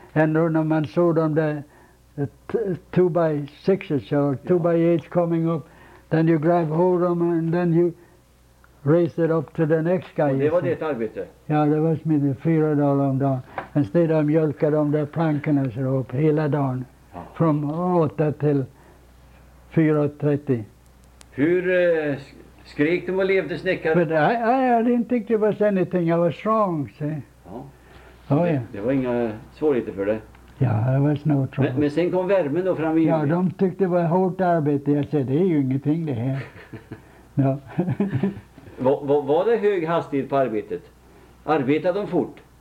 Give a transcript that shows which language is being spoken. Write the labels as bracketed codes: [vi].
[sv] Ändå när man såg dem där, [en] 2x6s or 2x8s coming up, then you grab hold of them and then you raise it up to the next guy. [sv] Och det var det arbete? Ja, det var med $4 om dagen. Och sen de mjölkade de där plankorna så upp hela dagen. Ja. Från 8 till 4:30. Hur skrek de och levde snickare? [en] I didn't think it was anything. I was strong, see. [sv] Ja. [en] Oh, [sv] det var inga svårigheter för det. Ja, det var [en] no trouble. [sv] Men sen kom värmen då fram i juli. Ja, de tyckte det var hårt arbete. Jag sa, det är ju ingenting det här. Ja. Var det hög hastighet på arbetet? Arbetade de fort?